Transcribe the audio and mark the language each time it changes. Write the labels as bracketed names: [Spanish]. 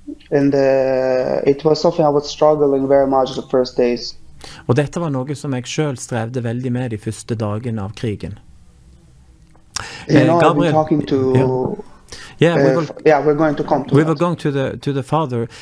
[English] And it was something I was struggling very much the first days. [Norwegian] Og dette var noe som jeg selv strevde veldig med de første dagene av krigen. [English] You know, Gabriel, I've been talking to... Ja. Yeah, we will. Yeah, we're going to come to. We that. Were going to the father.